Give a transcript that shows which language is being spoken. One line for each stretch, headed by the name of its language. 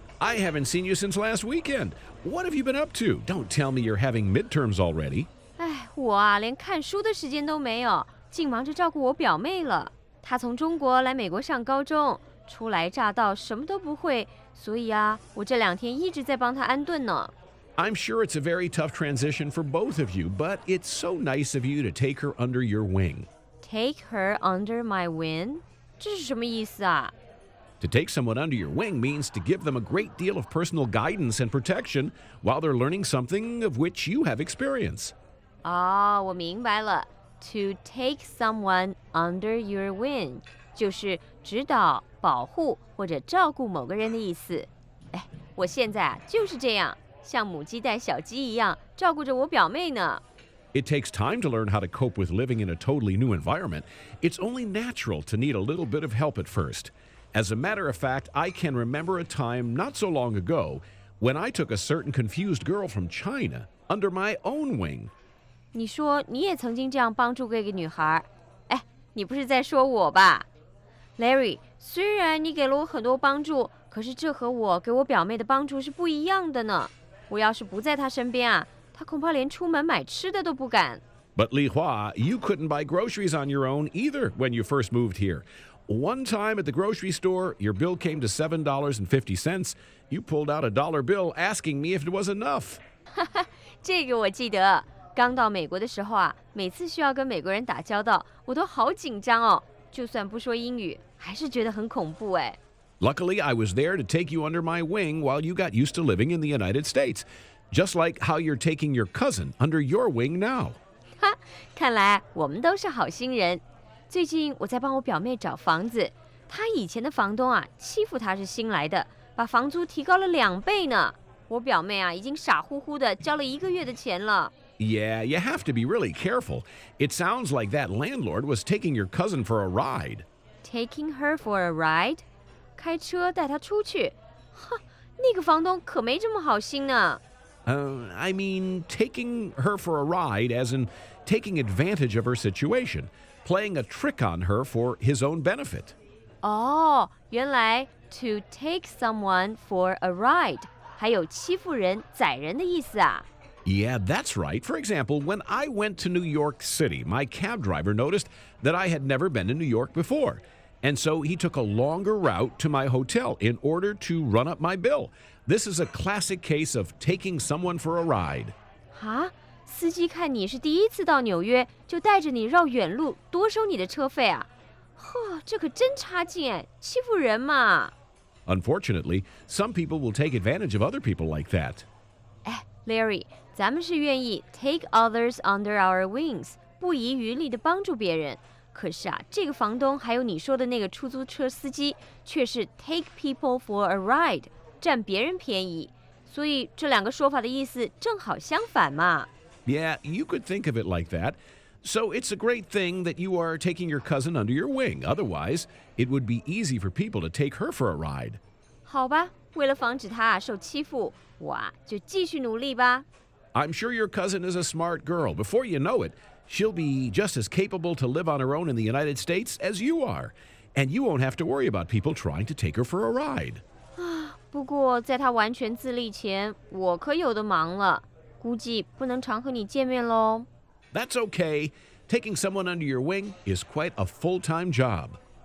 English: I haven't seen you since last weekend. What have you been up to? Don't tell me you're having midterms already.
Chinese: 哎，我啊，连看书的时间都没有，竟忙着照顾我表妹了。她从中国来美国上高中，初来乍到，什么都不会，所以啊，我这两天一直在帮他安顿呢。 I'm sure it's a very tough transition for both of you, but it's so nice of you to take her under your wing.
English: Take her under my wing?
Chinese: 这是什么意思啊？
English: To take someone under your wing means to give them a great deal of personal guidance and protection while they're learning something of which you have experience.
Chinese: 哦，我明白了。
English: To take someone under your wing
Chinese: 就是指导保护或者照顾某个人的意思。哎，我现在啊就是这样，像母鸡带小鸡一样照顾着我表妹呢。
English: It takes time to learn how to cope with living in a totally new environment. It's only natural to need a little bit of help at first. As a matter of fact, I can remember a time not so long ago when I took a certain confused girl from China under my own wing.
Chinese: 你说你也曾经这样帮助过一个女孩，哎，你不是在说我吧 ，Larry？虽然你给了我很多帮助，可是这和我给我表妹的帮助是不一样的呢。我要是不在她身边啊，她恐怕连出门买吃的都不敢。
English: But Li Hua, you couldn't buy groceries on your own either when you first moved here. One time at the grocery store, your bill came to $7.50. You pulled out a dollar bill, asking me if it was enough.
Chinese: 这个我记得。刚到美国的时候啊，每次需要跟美国人打交道，我都好紧张哦。就算不说英语，还是觉得很恐怖哎。
English: Luckily, I was there to take you under my wing while you got used to living in the United States, just like how you're taking your cousin under your wing now.
Chinese: 哈，看来我们都是好心人。最近我在帮我表妹找房子，他以前的房东啊，欺负他是新来的，把房租提高了两倍呢。我表妹啊，已经傻乎乎的交了一个月的钱了。
English: Yeah, you have to be really careful. It sounds like that landlord was taking your cousin for a ride. Taking her for a ride?
Chinese: 开车带她出去？哼，那个房东可没这么好心呢。
English: I mean, taking her for a ride, as in taking advantage of her situation, playing a trick on her for his own benefit.
Chinese: Oh, 原来
English: to take someone for a ride
Chinese: 还有欺负人、宰人的意思啊。
English: Yeah, that's right. For example, when I went to New York City, my cab driver noticed that I had never been to New York before. And so he took a longer route to my hotel in order to run up my bill. This is a classic case of taking someone for a ride.
Chinese: 啊？司机看你是第一次到纽约，就带着你绕远路，多收你的车费啊？呵，这可真差劲哎，欺负人嘛。
English: Unfortunately, some people will take advantage of other people like that.
Chinese: Hey, Larry. 咱们是愿意
English: take others under our wings,
Chinese: 不遗余力地帮助别人。可是啊，这个房东还有你说的那个出租车司机，却是
English: take people for a ride,
Chinese: 占别人便宜。所以这两个说法的意思正好相反嘛。
English: Yeah, you could think of it like that. So it's a great thing that you are taking your cousin under your wing. Otherwise, it would be easy for people to take her for a ride.
Chinese: 好吧，为了防止她受欺负，我啊，就继续努力吧。
English: I'm sure your cousin is a smart girl. Before you know it, she'll be just as capable to live on her own in the United States as you are. And you won't have to worry about people trying to take her for a ride.
Chinese: 不过在她完全自立前，我可有的忙了，估计不能常和你见面咯。
English: That's okay. Taking someone under your wing is quite a full-time job.